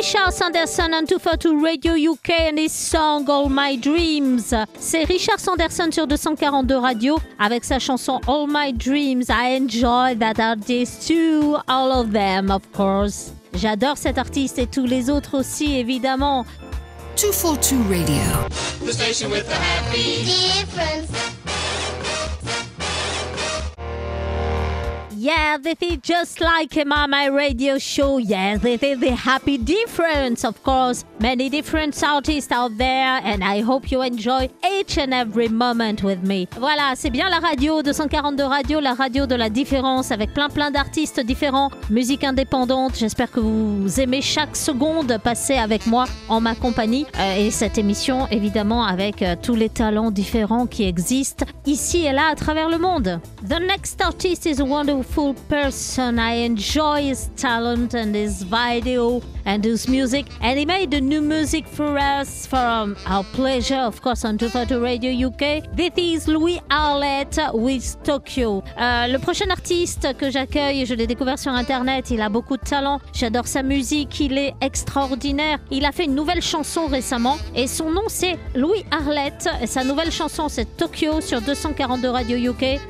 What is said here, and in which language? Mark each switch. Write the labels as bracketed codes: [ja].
[en] Sanderson on 242 Radio UK and his song All My Dreams. [fr] C'est Richard Sanderson sur 242 Radio avec sa chanson All My Dreams. [en] I enjoy that artist too, all of them of course. [fr] J'adore cet artiste et tous les autres aussi évidemment. [en] 242 Radio. The station with the happy difference. Yeah, this is just like my radio show. Yeah, this is the Happy Difference. Of course, many different artists out there, and I hope you enjoy each and every moment with me. [fr] Voilà, c'est bien la radio, 242 Radio, la radio de la différence, avec plein d'artistes différents, musique indépendante. J'espère que vous aimez chaque seconde passée avec moi, en ma compagnie, et cette émission, évidemment, avec tous les talents différents qui existent ici et là à travers le monde. [en] The next artist is a wonderful person. I enjoy his talent and his video and his music. And he made a new music for us, for our pleasure, of course, on 242 Radio UK. This is Louis Arlette with Tokyo. [fr] Le prochain artiste que j'accueille, je l'ai découvert sur Internet. Il a beaucoup de talent. J'adore sa musique. Il est extraordinaire. Il a fait une nouvelle chanson récemment. Et son nom, c'est Louis Arlette. Et sa nouvelle chanson, c'est Tokyo sur 242 Radio UK.